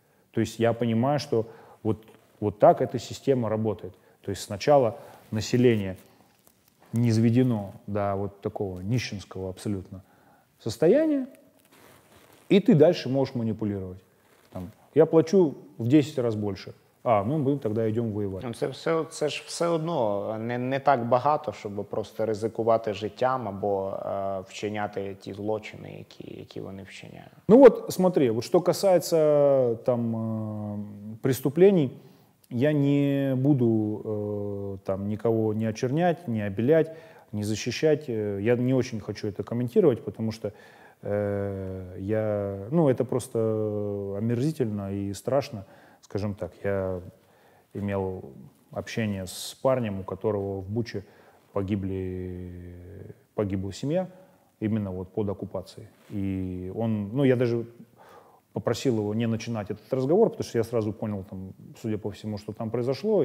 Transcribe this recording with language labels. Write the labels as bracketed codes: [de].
[ru] То есть я понимаю, что вот, вот так эта система работает. То есть сначала население низведено до вот такого нищенского абсолютно состояния, и ты дальше можешь маніпулювати. [uk] Там, я плачу в 10 раз більше. А, ну ми тоді йдемо воювати. Це ж все одно не так багато, щоб просто ризикувати життям або вчиняти ті злочини, які вони вчиняють. Ну от, [ru] смотри, [uk] от що касається там [ru] преступлений, [uk] я не буду там нікого не очерняти, не обіляти, не захищати. Я не дуже хочу це коментувати, тому що я, ну, [ru] это просто омерзительно и страшно, скажем так. Я имел общение с парнем, у которого в Буче погибла семья, именно вот под оккупацией. И он, ну, я даже попросил его не начинать этот разговор, потому что я сразу понял, там, судя по всему, что там произошло.